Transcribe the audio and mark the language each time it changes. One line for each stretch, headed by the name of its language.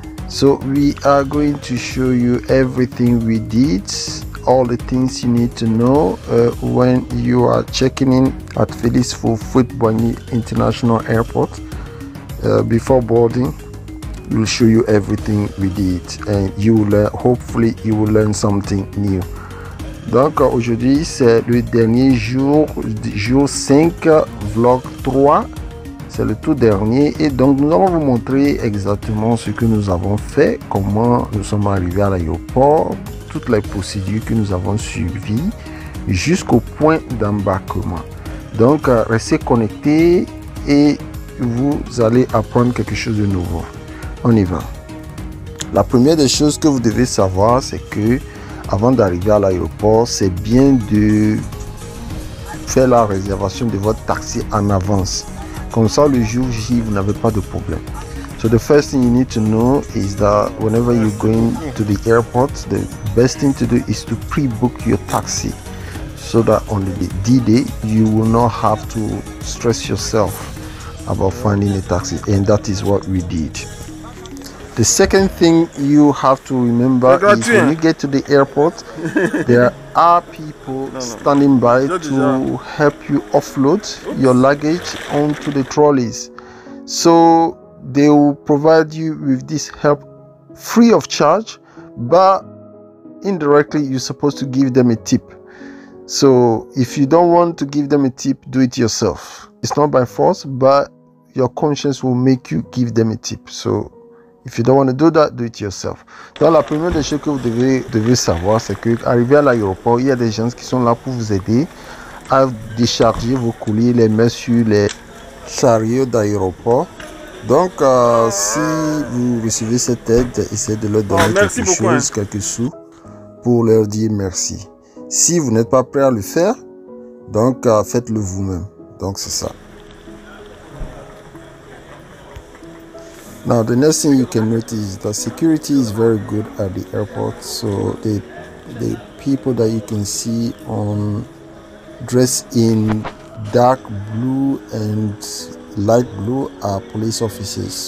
English: So we are going to show you everything we did, all the things you need to know when you are checking in at Felix Boigny International Airport before boarding. We'll show you everything we did and you will learn, hopefully you will learn something new.
French: Donc aujourd'hui c'est le dernier jour 5, vlog 3, c'est le tout dernier et donc nous allons vous montrer exactement ce que nous avons fait, comment nous sommes arrivés à l'aéroport, toutes les procédures que nous avons suivies jusqu'au point d'embarquement. Donc restez connectés et vous allez apprendre quelque chose de nouveau. On y va. La première des choses que vous devez savoir, c'est que avant d'arriver à l'aéroport, c'est bien de faire la réservation de votre taxi en avance. Comme ça, le jour J, vous n'avez pas de problème.
English: So the first thing you need to know is that whenever you're going to the airport, the best thing to do is to pre-book your taxi so that on the D-Day, you will not have to stress yourself about finding a taxi. And that is what we did. The second thing you have to remember is when you get to the airport, there are people standing by to help you offload your luggage onto the trolleys. So they will provide you with this help free of charge, but indirectly you're supposed to give them a tip. So if you don't want to give them a tip, do it yourself. It's not by force, but your conscience will make you give them a tip. So if you don't want to do that, do it yourself.
French: Donc la première des choses que vous devez savoir, c'est que arrivé à l'aéroport, il y a des gens qui sont là pour vous aider à décharger vos colis, les mettre sur les chariots d'aéroport. Donc si vous recevez cette aide, essayez de leur donner quelques sous pour leur dire merci. Si vous n'êtes pas prêt à le faire, donc faites-le vous-même. Donc c'est ça.
English: Now the next thing you can notice is that security is very good at the airport. So the people that you can see on dressed in dark blue and light blue are police officers.